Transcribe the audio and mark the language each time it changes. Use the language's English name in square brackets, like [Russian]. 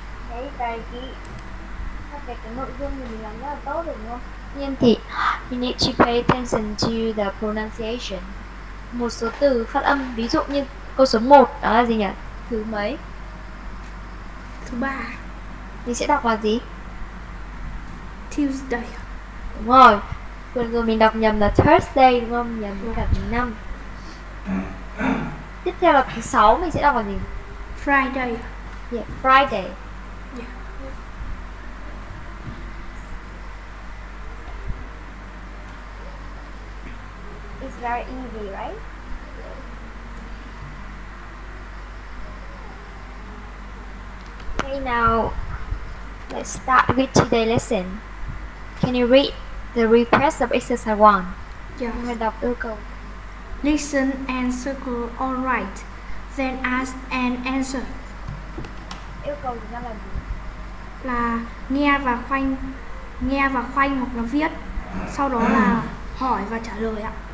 [Vietnamese] Hey, Tài Kỵ. Cái nội dung mình làm rất là tốt rồi đúng không? [English] Nhiên Thị, you need to pay attention to the pronunciation. [Vietnamese] Một số từ phát âm, ví dụ như câu số 1, đó là gì nhỉ? Thứ mấy? Thứ ba. Mình sẽ đọc là gì? [English] Tuesday. [Vietnamese] Đúng rồi. Vừa rồi mình đọc nhầm là Thursday đúng không? Nhầm với cả thứ năm. Tiếp theo là thứ sáu mình sẽ đọc là gì? [English] Friday. Yeah, Friday. Yeah. It's very easy, right? Okay, now let's start with today's lesson. Can you read the request of exercise 1? Yes. Listen and circle all right, then ask and answer. [Vietnamese] Yêu cầu chúng ta là gì? Là nghe và khoanh hoặc là viết, sau đó là hỏi và trả lời ạ.